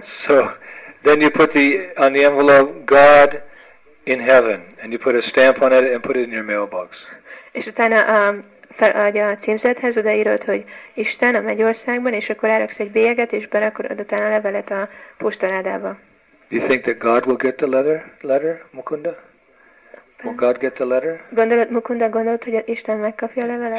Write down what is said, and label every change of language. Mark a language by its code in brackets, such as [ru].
[en] So, then you put on the envelope, God in heaven. And you put a stamp on it and put it in your mailbox. [hu] És utána feladja a címzethez, odaírod, hogy Isten a mennyországban, és akkor elraksz egy bélyeget, és berakod utána a levelet a postaládába. [en] You think that God will get the letter, Mukunda? Will God get the letter? [hu] Gondolod, Mukunda, gondolod, hogy Isten megkapja a levelet?